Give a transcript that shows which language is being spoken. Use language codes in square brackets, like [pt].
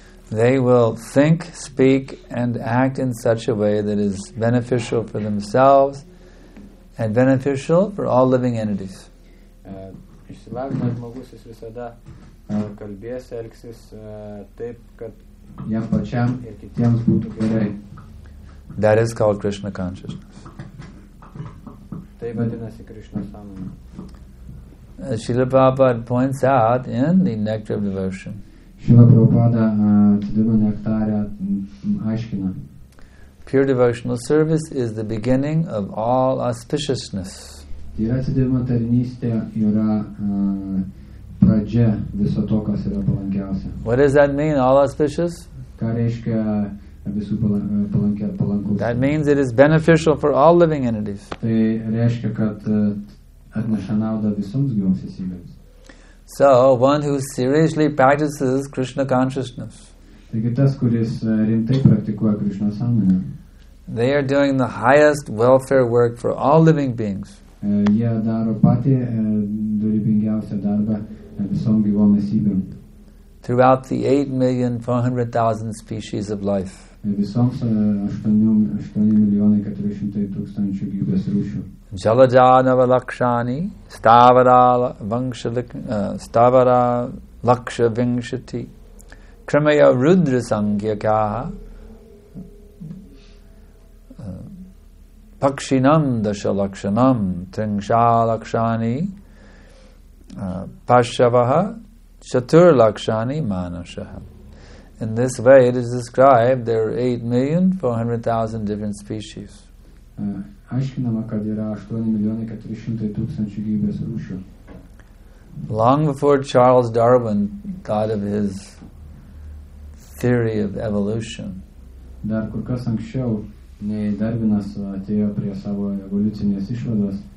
[en] They will think, speak, and act in such a way that is beneficial for themselves and beneficial for all living entities. [lt] Išsilavinęs žmogus jis visada kalbės, elgsis taip, kad jam pačiam ir kitiems būtų gerai. [en] That is called Krishna consciousness. [lt] Tai vadinasi Krishna sąmonė. [en] Srila Prabhupada points out in the Nectar of Devotion. [lt] Srila Prabhupada atidumo nektare aiškina. [en] Pure devotional service is the beginning of all auspiciousness. [lt] Tyra atidumo tarnystė yra pradžia viso to, kas yra palankiausia. [en] What does that mean, all auspicious? [lt] Ką reiškia visų palankus? [en] That means it is beneficial for all living entities. [lt] Tai reiškia, kad atneša naudą visoms gyvoms esybėms. [en] So, one who seriously practices Krishna consciousness. [lt] Taigi tas, kuris rimtai praktikuoja Krishna sąmonę. [en] They are doing the highest welfare work for all living beings. [lt] Jie daro patį dorybingiausią darbą visom gyvom esybėm. [en] Throughout the 8,400,000 species of life. [lt] Visoms 8,400,000 gyvybės rūšių. [sa] Jalajanava lakshani stavara vangsha stavara laksha vingshati kramaya rudra sangyaka pakshinam dasha lakshanam tringsha lakshani pashavaha chatur lakshani manashah. [en] In this way it is described there are 8,400,000 different species. [lt] Aiškinama, kad yra 8,400,000 gyvybės rūšių. [en] Long before Charles Darwin thought of his theory of evolution. [lt] Dar kur kas anksčiau, nei Darvinas atėjo prie savo evoliucinės išvados.